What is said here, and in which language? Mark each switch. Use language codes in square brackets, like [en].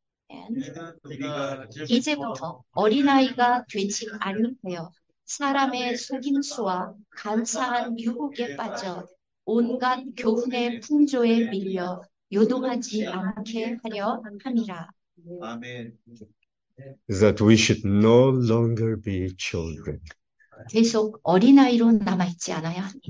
[ko] And 이제부터 어린아이가 되지 아니하여 사람의 속임수와 간사한 유혹에 빠져 온갖 교훈의 풍조에 밀려 요동하지 않게 하려 함이라. [en] Amen. Is that we should no longer be children. [ko] 계속 어린아이로 남아있지 않아야 합니다.